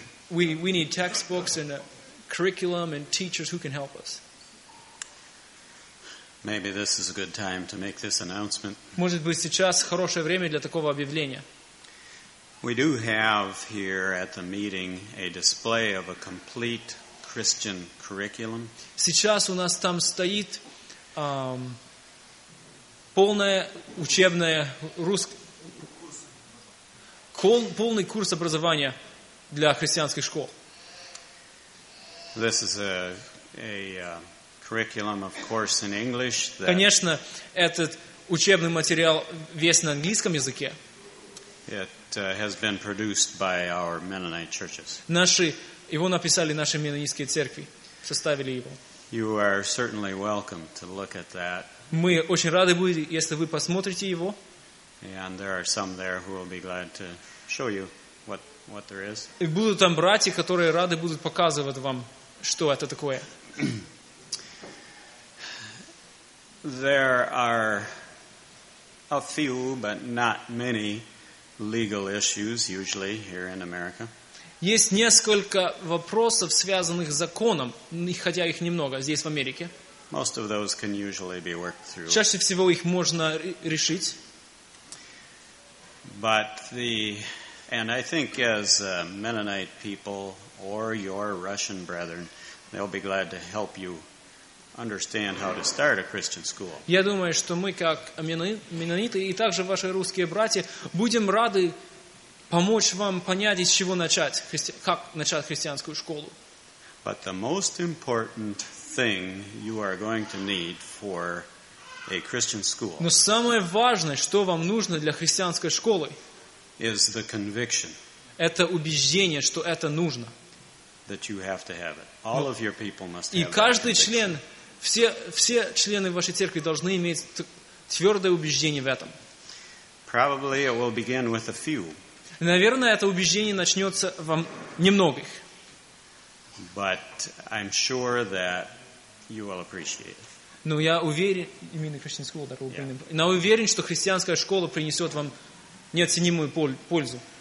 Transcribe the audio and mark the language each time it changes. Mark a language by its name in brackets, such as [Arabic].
[English] We need textbooks and a curriculum and teachers who can help us. Maybe this is a good time to make this announcement. [Russian] Может быть, сейчас хорошее время для такого объявления. [English] We do have here at the meeting a display of a complete Christian curriculum. [Russian] Сейчас у нас там стоит полное учебное полный курс образования для христианских школ. [English] This is a curriculum, of course, in English. [Russian] Конечно, этот учебный материал весь на английском языке. [English] It has been produced by our Mennonite churches. [Russian] Его написали наши Меннонитские церкви, составили его. [English] You are certainly welcome to look at that. [Russian] Мы очень рады будем, если вы посмотрите его. [English] And there are some there who will be glad to show you what there is. [Russian] И будут там братья, которые рады будут показывать вам, что это такое. [English] There are a few, but not many, legal issues usually here in America. [Russian] Есть несколько вопросов, связанных с законом, хотя их немного здесь в Америке. [English] Most of those can usually be worked through. [Russian] Чаще всего их можно решить. [English] But and I think as Mennonite people or your Russian brethren, they'll be glad to help you understand how to start a Christian school. [Russian] Я думаю, что мы как меннониты и также ваши русские братья будем рады помочь вам понять, из чего начать, как начать христианскую школу. [English] But the most important thing you are going to need for a Christian school. [Russian] Но самое важное, что вам нужно для христианской школы, [English] is the conviction. [Russian] Это убеждение, что это нужно. [English] That you have to have it. All of your people must have it. [Russian] И каждый член, все члены вашей церкви должны иметь твердое убеждение в этом. [English] Probably it will begin with a few. [Russian] Наверное, это убеждение начнется вам немногих. [English] But I'm sure that you will appreciate it. [Russian] Ну, я уверен, именно христианская школа, так, yeah. Но уверен, что христианская школа принесет вам неоценимую пользу.